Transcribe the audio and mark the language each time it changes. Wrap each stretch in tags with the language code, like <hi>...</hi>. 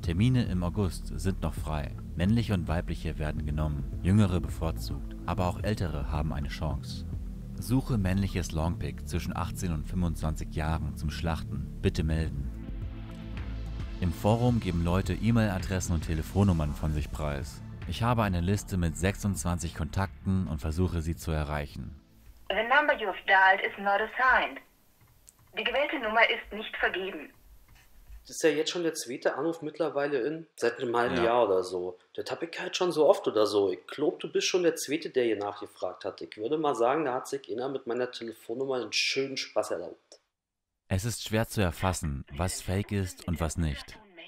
<de>Termine im August sind noch frei. Männliche und weibliche werden genommen, jüngere bevorzugt, aber auch ältere haben eine Chance. Suche männliches Longpick zwischen 18 und 25 Jahren zum Schlachten. Bitte melden. Im Forum geben Leute E-Mail-Adressen und Telefonnummern von sich preis. Ich habe eine Liste mit 26 Kontakten und versuche, sie zu erreichen.</de> <en>The number you have dialed is not assigned.</en> <de>Die gewählte Nummer ist nicht vergeben. Das ist ja jetzt schon der zweite Anruf mittlerweile in seit einem halben Jahr oder so. Das hab ich halt schon so oft oder so. Ich glaube, du bist schon der zweite, der hier nachgefragt hat. Ich würde mal sagen, da hat sich einer mit meiner Telefonnummer einen schönen Spaß erlaubt. Es ist schwer zu erfassen, was fake ist und was nicht.</de>